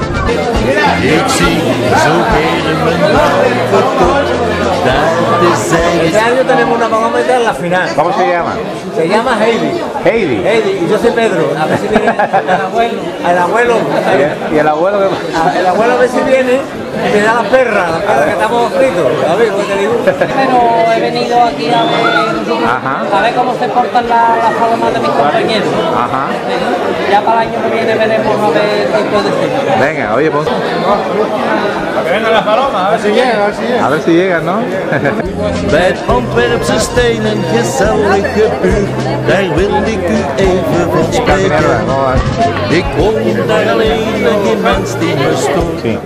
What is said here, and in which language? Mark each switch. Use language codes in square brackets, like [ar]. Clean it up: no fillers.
[nl] Ik zie zo helemaal mijn verkoop, dat is zij. [es] Este año tenemos una paloma en la final. ¿Cómo se llama? Se llama Heidi. Heidi. Heidi, y yo soy Pedro. A ver si viene el abuelo. ¿Y el abuelo qué pasa? El abuelo a ver si viene y me da las perras, que estamos fritos. A ver, ¿cómo te digo? Pero he venido aquí a ver, a ver cómo se portan las palomas de mis compañeros. Ajá. Ya para el año que viene veremos a ver qué puede ser. Venga, oye, pues. A ver, las palomas, a ver si llegan, ¿no? [nl] Bij het Antwerpse steen en gezellige buurt, daar wilde ik u even van spreken. Ik woon daar alleen en geen mens die me stoort.